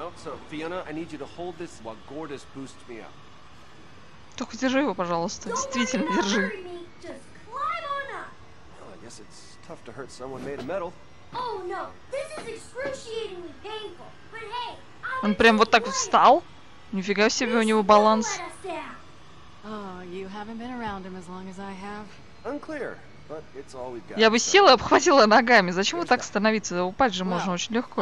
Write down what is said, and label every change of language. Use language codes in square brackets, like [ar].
[en] So, Fiona, I need you to hold this while Gordis boosts me up. [ru] Только держи его, пожалуйста. Действительно, держи. [en] Don't worry, just climb on up. Well, I guess it's tough to hurt someone made of metal. Oh no, this is excruciatingly painful. But hey, [ru] он прям вот так вот встал? Нифига себе, у него баланс. [en] Oh, you haven't been around him as long as I have. Unclear, but it's all we've got. [ru] Я бы села и обхватила ногами. Зачем вот так становиться? Упасть же можно очень легко.